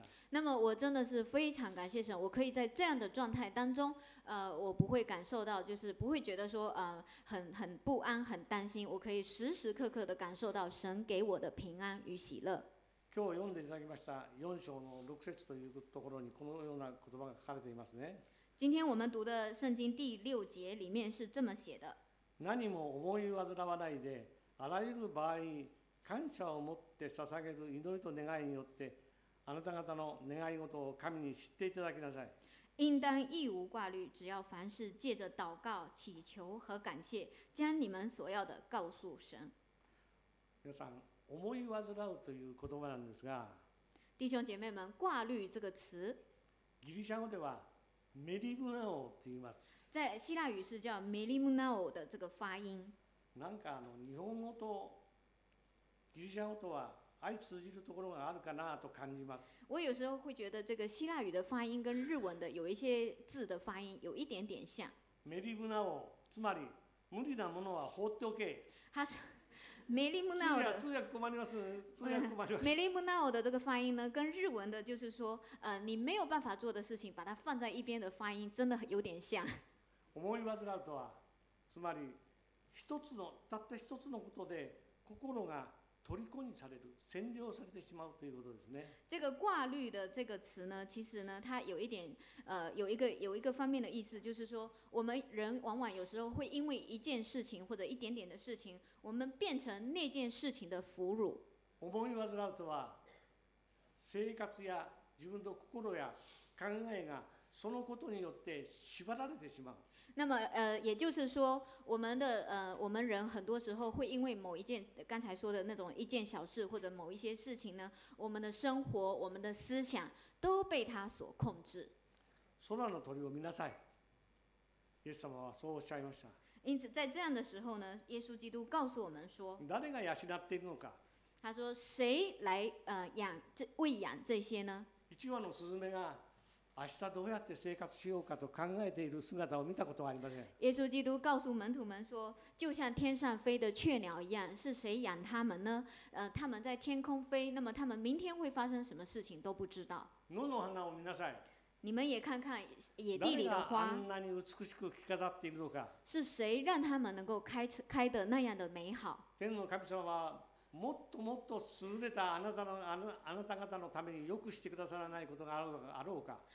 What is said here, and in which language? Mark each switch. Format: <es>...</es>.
<zh>那么我真的是非常感谢神，我可以在这样的状态当中，我不会感受到，就是不会觉得说，很不安、很担心，我可以时时刻刻的感受到神给我的平安与喜乐。</zh> <ja>今日読んでいただきました四章の六節というところにこのような言葉が書かれていますね。</ja> <zh>今天我们读的圣经第六节里面是这么写的。</zh> <ja>何も思い煩わないで、あらゆる場合。感謝を持って捧げる祈りと願いによって、あなた方の願い事を神に知っていただきなさい。</ja> <zh>应当一无挂虑，只要凡事借着祷告、祈求和感谢，将你们所要的告诉神。</zh> <ja>皆さん、思い煩うという言葉なんですが、</ja> <zh>弟兄姐妹们，挂虑这个词，</zh> <ja>ギリシャ語ではメリムナオと言います。</ja> <zh>在希腊语是叫メリムナオ的这个发音。</zh> <ja>なんか日本語とギリシャ語とは相通じるところがあるかなと感じます。</ja> <zh>我有时候会觉得这个希腊语的发音跟日文的有一些字的发音有一点点像。</zh> <ja>メリムナオ、つまり無理なものは放っておけ。</ja> <zh>他说メリムナオ的</zh> <ja>通訳困ります。通訳困ります。</ja> <zh>メリムナオ的这个发音呢，跟日文的就是说，你没有办法做的事情，把它放在一边的发音真的有点像。</zh> <ja>思い煩うとは、つまり一つのたった一つのことで心が虜にされる、占領されてしまうということですね。</ja> <zh>这个挂虑的这个词呢，其实呢，它有一点，有一个方面的意思，就是说，我们人往往有时候会因为一件事情或者一点点的事情，我们变成那件事情的俘虏。</zh> <ja>思い煩うとは、生活や自分の心や考えがそのことによって縛られてしまう。</ja> <zh>那么也就是说我们人很多时候会因为某一件刚才说的那种一件小事或者某一些事情呢，我们的生活我们的思想都被他所控制。</zh> <ja>空の鳥を見なさい。イエス様はそうおっしゃいました。</ja> <zh>因此在这样的时候呢，耶稣基督告诉我们说，</zh> <ja>誰が養っているのか。</ja> <zh>他说谁来喂养这些呢？</zh> <ja>一羽のスズメが明日どうやって生活しようかと考えている姿を見たことはありません。</ja> <zh>耶稣基督告诉门徒们说，就像天上飞的雀鸟一样，是谁养他们呢？他们在天空飞，那么他们明天会发生什么事情都不知道。</zh> <ja>野の花を見なさい。</ja> <zh>你们也看看野地里的花。</zh> <ja>誰があんなに美しく着飾っているのか。</ja> <zh>是谁让他们能够开的那样的美好？</zh> <ja>天の神様はもっともっと優れたあなた方のためによくしてくださらないことがあろうか。</ja>